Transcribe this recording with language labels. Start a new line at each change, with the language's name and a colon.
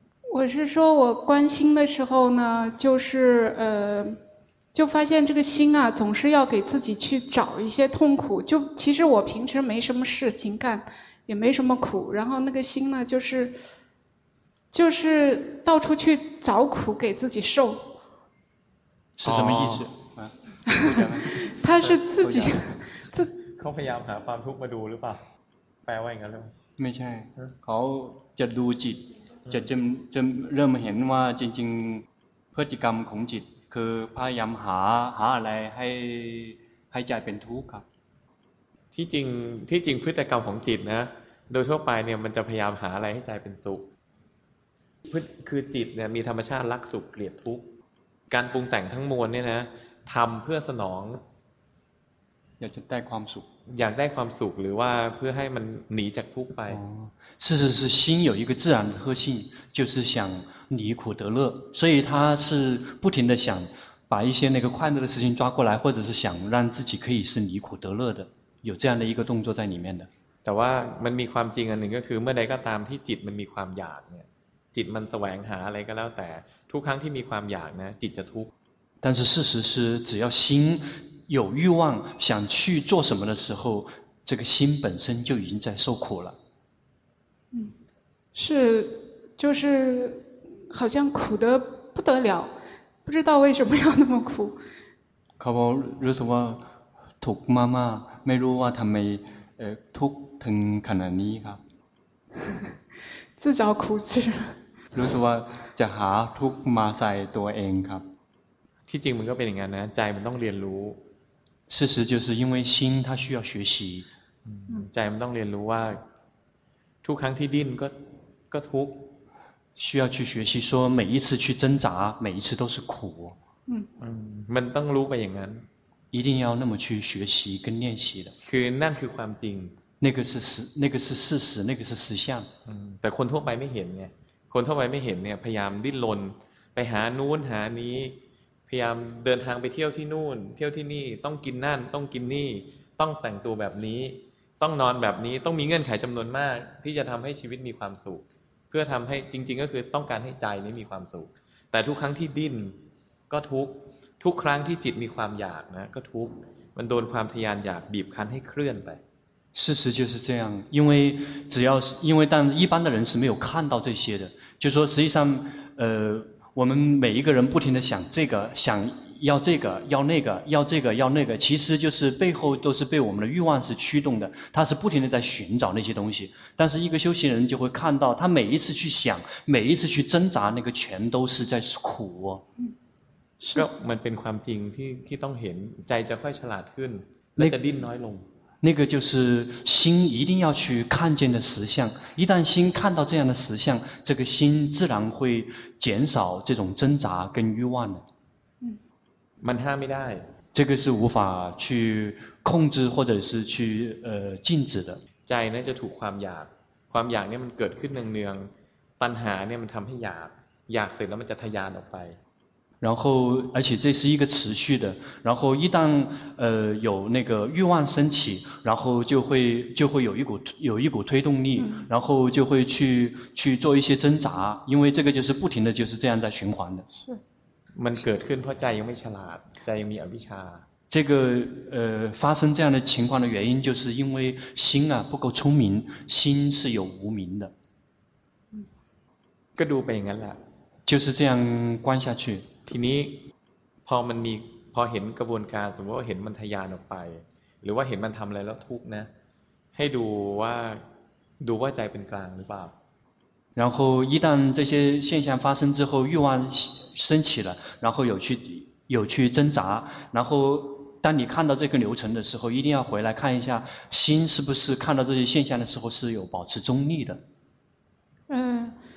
Chinese: 我是说我关心的时候呢就是就发现这个心啊总是要给自己去找一些痛苦就其实我平时没什么事情干也没什么苦然后那个心呢就是到处去找苦给自己受是什么意思他是自己
Thai: 自เขาพยายามหาความทุกข์มาดูหรือเปล่าแปลว่าอย่างนั้นหรือ ไม่ใช่เขาจะดูจิตจะเริ่มเห็นว่าจริงๆพฤติกรรมของจิตคือพยายามหาอะไรให้ใจเป็นทุกข์ครับ ที่จริงพฤติกรรมของจิตนะโดยทั่วไปเนี่ยมันจะพยายามหาอะไรให้ใจเป็นสุขคือจิตเนี่ยมีธรรมชาติรักสุขเกลียดทุกข์การปรุงแต่งทั้งมวลเนี่ยนะทำเพื่อสนอง อยากจะได้ความสุข อยากได้ความสุขหรือว่าเพื่อให้มันหนีจากทุกข์ไป
Chinese: 事实是心有一个自然的特性就是想离苦得乐所以他是不停的想把一些那个快乐的事情抓过来或者是想让自己可以是离苦得乐的有这样的一个动作在里面的
Thai: แต่ว่ามันมีความจริงอันหนึ่งก็คือเมื่อใดก็ตามที่จิตมันมีความอยากเนี่ยจิตมันแสวงหาอะไรก็แล้วแต่ทุกครั้งที่มีความอยากนะจิตจะทุกข์
Chinese: 但是事实是只要心有欲望想去做什么的时候这个心本身就已经在受苦了是就是好像苦得不得了不知道为什么要那么苦
Thai: เขาบอกรู้สึกว่าทุกข์มากๆไม่รู้ว่าทำไมทุกข์ถึงขนาดนี้ครับ
Chinese: 自找苦吃
Thai: รู้สึกว่าจะหาทุกข์มาใส่ตัวเองครับ ที่จริงมันก็เป็นอย่างนั้นนะใจมันต้องเรียนรู้
Chinese: 事实就是因为心它需要学习
Thai: ใจมันต้องเรียนรู้ว่าทุกครั้งที่ดิ้นก็ทุกข์
Chinese: 需要去学习说每一次去挣扎每一次都是苦
Thai: มันต้องรู้ไปอย่างนั้น
Chinese: 一定要那么去学习跟练习的
Thai: คือนั่นคือความจริง
Chinese: 那个是事实那个是实相
Thai: แต่คนทั่วไปไม่เห็นไงคนทั่วไปไม่เห็นเนี่ยพยายามดิ้นรนไปหานู้นหานี้พยายามเดินทางไปเที่ยวที่นู่นเที่ยวที่นี่ต้องกินนั่นต้องกินนี่ต้องแต่งตัวแบบนี้ต้องนอนแบบนี้ต้องมีเงื่อนไขจำนวนมากที่จะทำให้ชีวิตมีความสุขเพื่อทำให้จริงๆก็คือต้องการให้ใจนี้มีความสุขแต่ทุกครั้งที่ดิ้นก็ทุกทุกครั้งที่จิตมีความอยากนะก็ทุกมันโดนความทยานอยากบีบคั้นให้เคลื่อนไป
Chinese: 事实就是这样因为只要因为但一般的人是没有看到这些的就说实际上我们每一个人不停的想这个想要这个要那个要这个要那个其实就是背后都是被我们的欲望是驱动的他是不停地在寻找那些东西但是一个修行人就会看到他每一次去想每一次去挣扎那个全都是在苦是的
Thai: มันเป็นความจริงที่ต้องเห็นใจจะค่อยฉลาดขึ้นและจะดิ้นน้อยลง
Chinese: 那个就是心一定要去看见的实相一旦心看到这样的实相这个心自然会减少这种挣扎跟欲望的
Thai: มันห้ามไม่ได้
Chinese: 这个是无法去控制或者是去禁止的
Thai: ใจนั้นจะถูกความอยากความอยากเนี่ยมันเกิดขึ้นเนืองๆตัณหาเนี่ยมันทำให้อยากอยากเสร็จแล้วมันจะทะยานออกไป
Chinese: 然后而且这是一个持续的然后一旦有那个欲望升起然后就会有一股推动力然后就会去做一些挣扎因为这个就是不停的就是这样在循环的是
Thai: มันเกิดขึ้นเพราะใจยังไม่ฉลาดใจยังมีอวิชชา
Chinese: 这个发生这样的情况的原因就是因为心啊不够聪明心是有无明的
Thai: ก็ดูไปอย่างนั้นแหละ
Chinese: 就是这样观下去
Thai: ทีนี้พอมันมีพอเห็นกระบวนการสมมติว่าเห็นมันทะยานออกไปหรือว่าเห็นมันทำอะไรแล้วทุกข์นะให้ดูว่าใจเป็นกลางหรือเปล่า
Chinese: 然后一旦这些现象发生之后欲望升起了然后有去挣扎然后当你看到这个流程的时候一定要回来看一下心是不是看到这些现象的时候是有保持中立的嗯